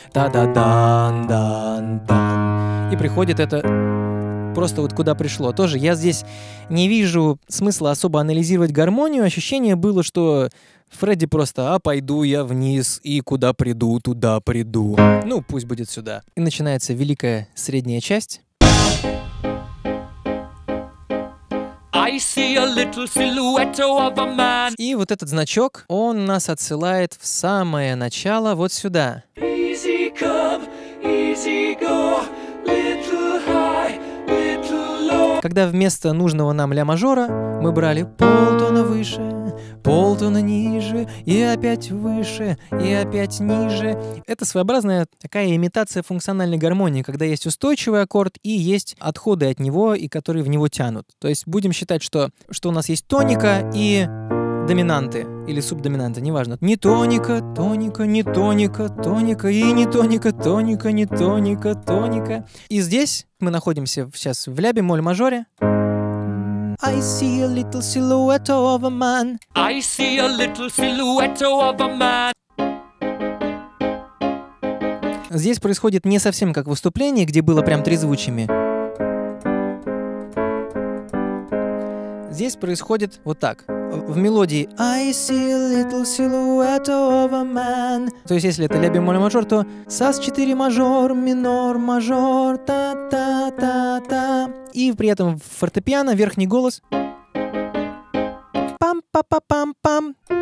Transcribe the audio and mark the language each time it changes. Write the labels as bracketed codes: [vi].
[ru] Та-да-дан-дан-дан. И приходит это просто вот куда пришло. Тоже я здесь не вижу смысла особо анализировать гармонию, ощущение было, что... Фредди просто, а пойду я вниз, и куда приду, туда приду. Ну, пусть будет сюда. И начинается великая средняя часть. [en] I see a little silhouette of a man. [ru] И вот этот значок, он нас отсылает в самое начало, вот сюда. [en] Easy come, easy go, little high, little low. [ru] когда вместо нужного нам ля мажора мы брали полтона выше, полтона ниже, и опять выше, и опять ниже. Это своеобразная такая имитация функциональной гармонии, когда есть устойчивый аккорд и есть отходы от него, и которые в него тянут. То есть будем считать, что у нас есть тоника и доминанты или субдоминанты, неважно. Не тоника, тоника, не тоника, тоника, и не тоника, тоника, не тоника, тоника. И здесь мы находимся сейчас в ля бемоль мажоре. [en] I see a little silhouette of a man. I see a little silhouette of a man. [ru] Здесь происходит не совсем как в выступлении, где было прям трезвучими. Здесь происходит вот так. В мелодии [en] I see a little silhouette of a man. [ru] То есть, если это ля бемоль мажор, то сас 4 мажор, минор мажор, та-та-та-та. И при этом в фортепиано верхний голос пам-па-па-пам-пам.